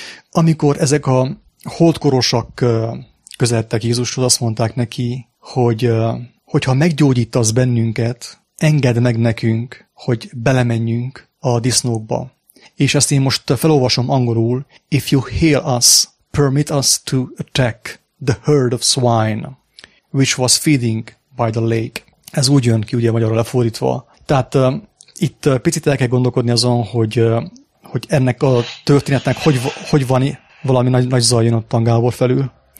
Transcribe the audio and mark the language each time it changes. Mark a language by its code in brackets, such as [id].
[hu] amikor ezek a holdkorosak közeledtek Jézushoz, azt mondták neki, hogy ha meggyógyítasz bennünket, engedd meg nekünk, hogy belemenjünk a disznókba. És ezt én most felolvasom angolul. [en] If you heal us, permit us to attack the herd of swine, which was feeding by the lake. [hu] Ez úgy jön ki, ugye magyarra lefordítva. Tehát itt picit el kell gondolkodni azon, hogy ennek a történetnek hogy van valami nagy zaj jön ott Angából felül.